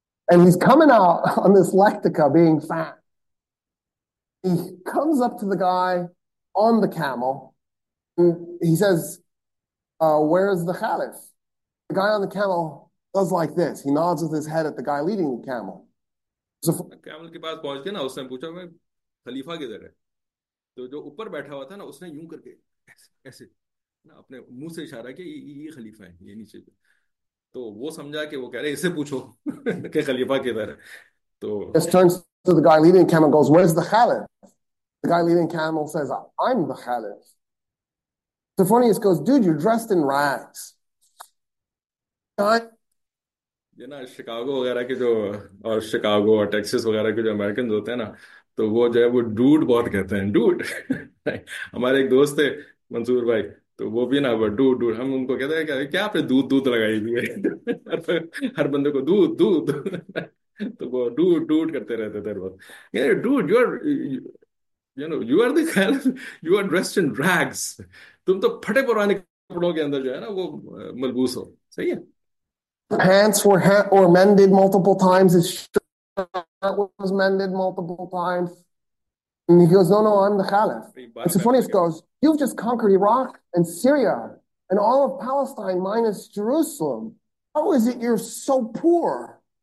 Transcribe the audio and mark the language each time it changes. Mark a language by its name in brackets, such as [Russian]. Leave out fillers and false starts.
[English] And he's coming out on this lectica being fat. He comes up to the guy on the camel and he says, where is the caliph? The guy on the camel does like this. He nods with his head at the guy leading the camel. So, [Hindi] camel के पास पहुंच के ना उसने पूछा भाई खलीफा किधर है, तो जो ऊपर बैठा हुआ था ना उसने यूं करके ऐसे ना अपने मुंह से इशारा किया ये खलीफा है ये नीचे, तो वो समझा कि वो कह रहे इसे पूछो कि खलीफा किधर है। तो [English] just turns to the guy leading the camel, goes, where's the caliph? The guy leading the camel says, I'm the caliph. Sophronius goes, dude, you're dressed in rags. [Hindi] ये ना शिकागो वगैरह के जो, और शिकागो और टेक्सिस वगैरह के जो अमेरिकन होते हैं ना, तो वो जो है वो डूड बहुत कहते हैं डूड। हमारे एक दोस्त थे मंसूर भाई, तो वो भी ना वो डूड डूड, हम उनको कहते हैं क्या आपने दूध दूध लगाई हुई है, हर बंदे को दूध दूध। तो वो डूड डूड करते रहते थे बहुत, [English] dude you are you know you are you are dressed in rags, [Hindi] तुम तो फटे पुराने कपड़ों के अंदर जो है ना वो मलबूस हो। सही है, [English] pants were or mended multiple times, his shirt was mended multiple times, and he goes, no, I'm the caliph. And Sophronius goes, you've just conquered Iraq and Syria and all of Palestine minus Jerusalem, how is it you're so poor?